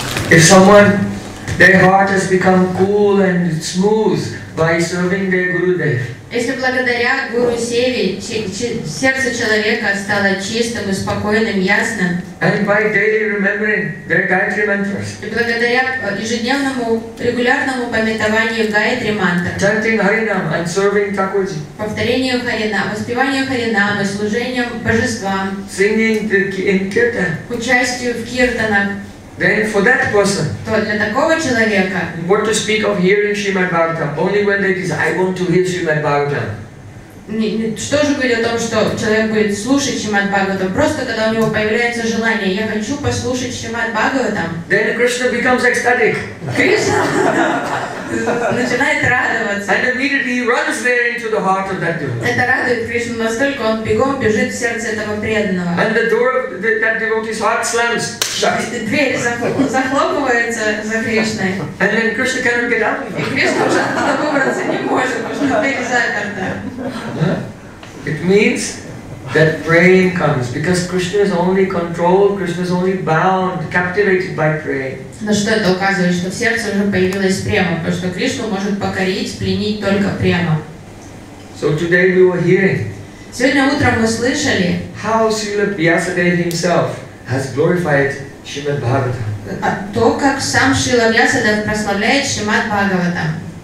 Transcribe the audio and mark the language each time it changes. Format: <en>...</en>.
<en>If someone, their heart has become cool and smooth by serving their Gurudev.</en> <ru>Если благодаря Гуру Севе сердце человека стало чистым, спокойным, ясным.</ru> <en>And by daily remembering their Gayatri mantras.</en> <ru>И благодаря ежедневному регулярному памятованию Гайатри мантр.</ru> <en>Chanting Харинам and serving Такурджи.</en> <ru>Повторение Харинам, воспевание Харинам и служение божествам.</ru> <en>Singing the Kirtan.</en> <ru>Участие в киртанах.</ru> <en>Then for that person,</en> <ru>то для такого человека,</ru> <en>what to speak of hearing Srimad Bhagavatam? Only when they desire, I want to hear Srimad Bhagavatam.</en> <ru>Что же говорит о том, что человек будет слушать Шримад Бхагаватам? Просто когда у него появляется желание, я хочу послушать Шримад Бхагаватам.</ru> <en>Then Krishna becomes ecstatic.</en> <ru>Кришна начинает радоваться.</ru> <en>And immediately he runs there into the heart of that devotee.</en> <ru>Это радует Кришну настолько, он бегом бежит в сердце этого преданного.</ru> <en>And the door of that devotee's heart slams.</en> <ru>Дверь захлопывается за Кришной.</ru> <en>And then Krishna cannot get out.</en> <ru>И Кришна уже оттуда выбраться не может, потому что дверь заперта.</ru> <en>It means that Prem comes because Krishna is only controlled, Krishna is only bound, captivated by Prem.</en> <ru>Но что это указывает, что в сердце уже появилась према, потому что Кришну может покорить, пленить только према.</ru> <en>So today we were hearing.</en> <ru>Сегодня утром мы слышали.</ru> <en>How Srila Vyasadeva himself has glorified Srimad Bhagavatam.</en> <ru>А то, как сам Шрила Вьясадев прославляет Шримад Бхагаватам.</ru>